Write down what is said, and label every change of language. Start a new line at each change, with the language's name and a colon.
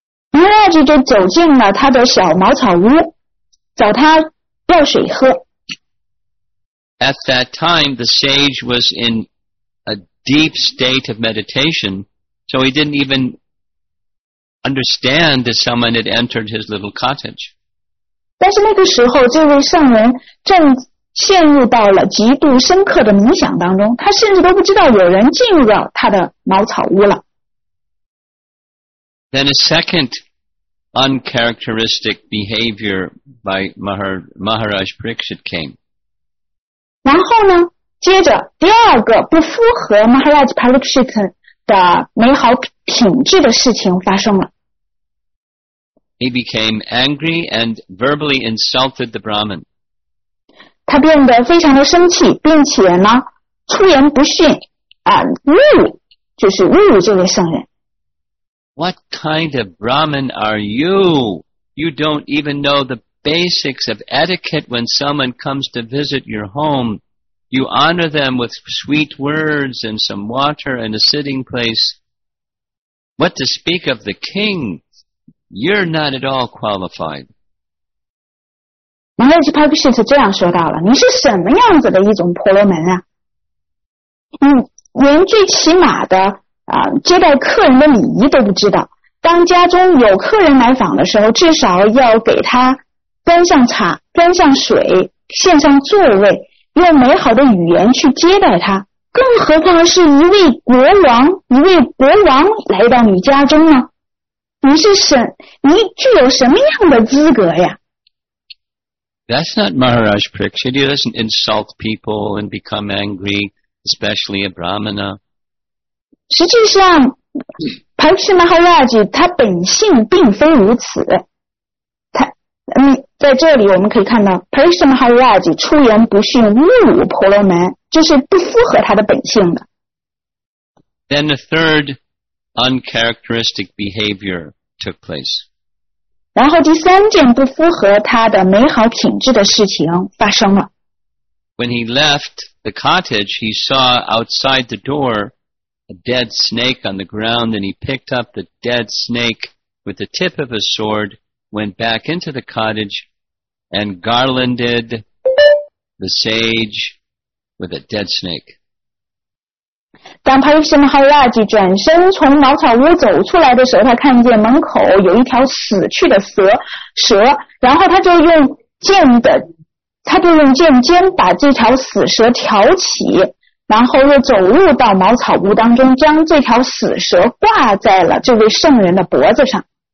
Chinese: Maharaj 就走进了他的小茅草屋，找他要水喝。
English: At that time, the sage was in a deep state of meditation, so he didn't even understand that someone had entered his little cottage.
Chinese: 但是那个时候，这位圣人正陷入到了极度深刻的冥想当中，他甚至都不知道有人进入了他的茅草屋了。
English: Then a second uncharacteristic behavior by Maharaj Parikshit came.
Chinese: 然后呢接着第二个不符合 Maharaj Parikshit 的美好品质的事情发生了。
English: He became angry and verbally insulted the Brahmin.
Chinese: 他变得非常的生气并且呢出言不逊侮辱这位圣人。
English: What kind of Brahmin are you? You don't even know the basics of etiquette when someone comes to visit your home. You honor them with sweet words and some water and a sitting place. What to speak of the king? You're not at all qualified.
Chinese: Maharaj Parikshit 这样说到了，你是什么样子的一种婆罗门啊？连最起码的接待客人的礼仪都不知道。当家中有客人来访的时候，至少要给他端上茶、端上水、献上座位。用美好的语言去接待他，更何况是一位国王，一位国王来到你家中呢？你具有什么样的资格呀？
English: That's not Maharaj Parikshit. He doesn't insult people and become angry, especially a Brahmana.
Chinese: 实际上 Parikshit Maharaj 他本性并非如此。在这里我们可以看到 Parikshit Maharaj 出言不逊侮辱婆罗门这是不符合他的本性的。
English: Then the third uncharacteristic behavior took place.
Chinese: 然后第三件不符合他的美好品质的事情发生了。
English: When he left the cottage, he saw outside the door a dead snake on the ground and he picked up the dead snake with the tip of his sword. Went back into the cottage and garlanded the sage with a dead snake.
Chinese: 当 Parikshit Maharaj 转身从茅草屋走出来的时候，他看见门口有一条死去的蛇，然后他就用剑尖把这条死蛇挑起，然后又走入到茅草屋当中，将这条死蛇挂在了这位圣人的脖子上。